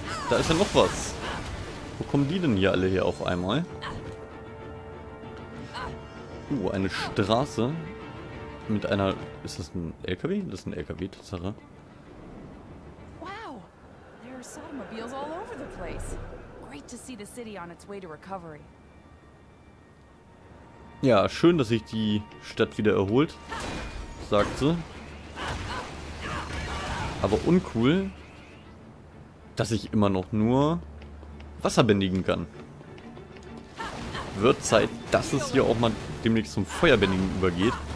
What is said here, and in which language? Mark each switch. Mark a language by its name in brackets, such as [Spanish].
[German] Da ist ja noch was. Wo kommen die denn hier alle her auf einmal? Eine Straße mit einer. Ist das ein LKW? Das ist ein LKW, Tatsache. [English] Wow! [German] Da sind [English] Automobiles all over the place. Great to see the city on its way to recovery. [German] Ja, schön, dass sich die Stadt wieder erholt, sagt sie. Aber uncool, dass ich immer noch nur Wasser bändigen kann. Wird Zeit, dass es hier auch mal demnächst zum Feuerbändigen übergeht.